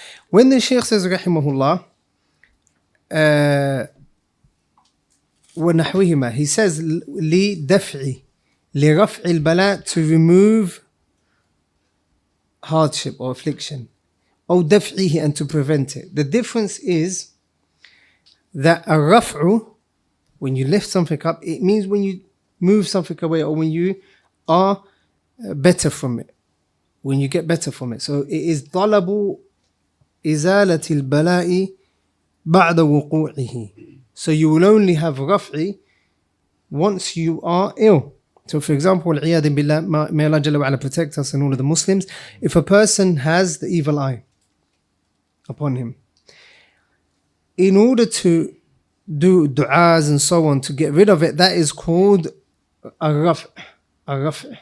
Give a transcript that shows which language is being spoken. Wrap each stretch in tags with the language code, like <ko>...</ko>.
<en>When the Shaykh says, rahimahullah,</en> <ar>وَنَحْوِهِمَا,</ar> <en>he says,</en> <ar>لِدَفْعِ, لِرَفْعِ الْبَلَاء,</ar> <en>to remove hardship or affliction,</en> <ar>أو دفعه,</ar> <en>and to prevent it. The difference is that a رفعه, when you lift something up, it means when you move something away or when you are better from it, when you get better from it. So it is</en> <ar>طلب إزالة البلاء بعد وقوعه.</ar> <en>So you will only have رفعه once you are ill. So for example,</en> <ar>العياذ بالله,</ar> <en>may Allah</en> <ar>جل وعلا</ar> <en>protect us and all of the Muslims, if a person has the evil eye upon him, in order to do du'as and so on to get rid of it, that is called a raf'.</en>